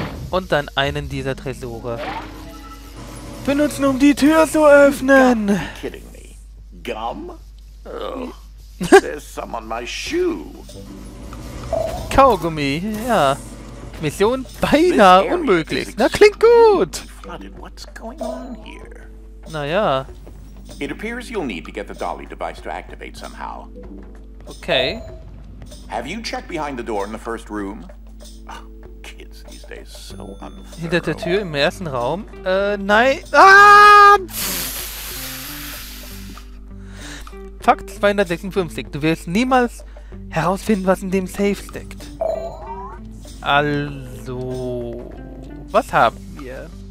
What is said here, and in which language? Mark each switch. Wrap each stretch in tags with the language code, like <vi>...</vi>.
<de>Und dann einen dieser Tresore. Benutzen, um die Tür zu öffnen!</de> <en>Kidding me. Gum? There's some on my shoe.</en> <de>Kaugummi, ja. Mission beinahe unmöglich. Na, klingt gut.</de> <en>What's going on here?</en> <de>Na ja.</de> <en>It appears you'll need to get the dolly device to activate somehow. Okay. Have you checked behind the door in the first room? Oh, kids these days so unfair.</en> <de>Hinter der Tür im ersten Raum? Nein. Ah! Fakt 256. Du wirst niemals herausfinden, was in dem Safe steckt. Also, was haben wir?</de>